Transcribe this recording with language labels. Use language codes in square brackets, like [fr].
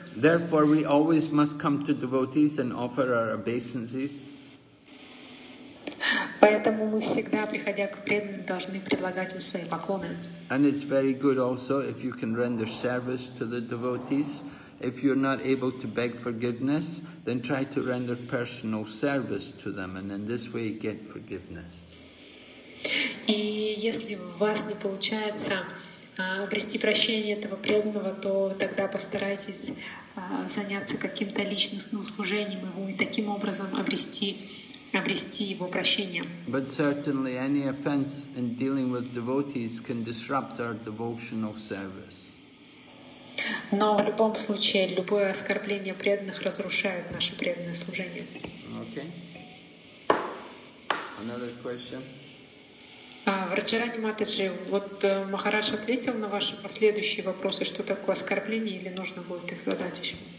[en] Therefore, we always must come to devotees and offer our obeisances. [ru] Поэтому мы всегда, приходя к преданным, должны предлагать им свои поклоны. [en] And it's very good also if you can render service to the devotees. If you're not able to beg forgiveness, then try to render personal service to them, and in this way get forgiveness. [ru] И если у вас не получается обрести прощение этого преданного, то тогда постарайтесь заняться каким-то личностным служением его и таким образом обрести его прощение. [en] But certainly any offense in dealing with devotees can disrupt our devotional service. [ru] Но в любом случае любое оскорбление преданных разрушает наше преданное служение. [en] Okay. Another question. [ru] Раджарани Матаджи, вот Махарадж ответил на ваши последующие вопросы, что такое оскорбление, или нужно будет их задать еще?